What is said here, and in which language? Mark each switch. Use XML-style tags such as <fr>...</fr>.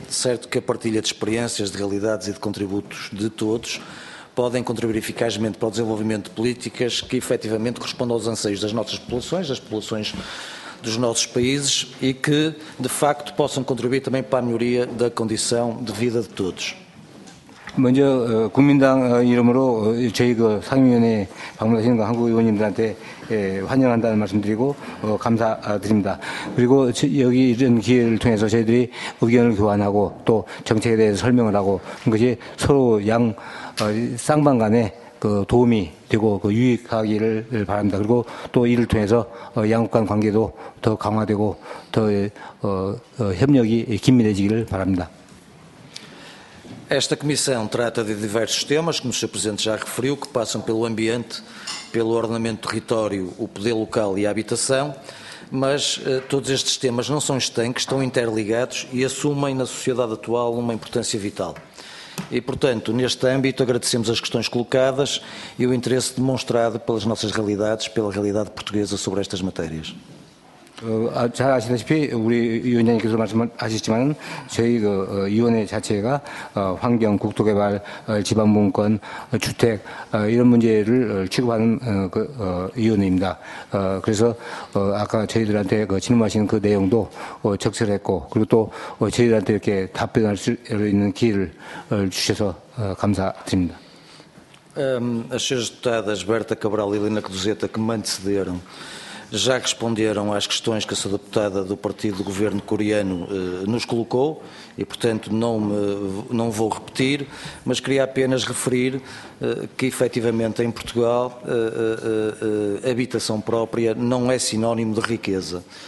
<pt>Certo que a partilha de experiências, de realidades e de contributos de todos podem contribuir eficazmente para o desenvolvimento de políticas que efetivamente correspondam aos anseios das nossas populações, das populações dos nossos países e que, de facto, possam contribuir também para a melhoria da condição de vida de todos.</pt> <ko>먼저 국민당 이름으로 저희 그 상임위원회 방문하신 그 한국 의원님들한테 환영한다는 말씀드리고 감사드립니다. 그리고 여기 이런 기회를 통해서 저희들이 의견을 교환하고 또 정책에 대해서 설명을 하고 그것이 서로 양 쌍방 간에 그 도움이 되고 그 유익하기를 바랍니다. 그리고 또 이를 통해서 양국 간 관계도 더 강화되고 더 협력이 긴밀해지기를 바랍니다.</ko> <pt>Esta comissão trata de diversos temas, como o Sr. Presidente já referiu, que passam pelo ambiente, pelo ordenamento do território, o poder local e a habitação, mas todos estes temas não são estanques, estão interligados e assumem na sociedade atual uma importância vital. E, portanto, neste âmbito agradecemos as questões colocadas e o interesse demonstrado pelas nossas realidades, pela realidade portuguesa sobre estas matérias.</pt> <ko>잘 아시다시피 우리 위원장님께서 말씀하셨지만 저희 그 위원회 자체가 환경, 국토개발, 지방분권, 주택 이런 문제를 취급하는 그 위원회입니다. 그래서 아까 저희들한테 그 질문하신 그 내용도 적절했고 그리고 또 저희들한테 이렇게 답변할 수 있는 기회를 주셔서 감사드립니다.</ko> <pt>As senhoras deputadas Berta Cabral e Helena Roseta que me antecederam já responderam às questões que a Sra. Deputada do Partido do Governo Coreano nos colocou e, portanto, não vou repetir, mas queria apenas referir que, efetivamente, em Portugal, habitação própria não é sinónimo de riqueza.</pt>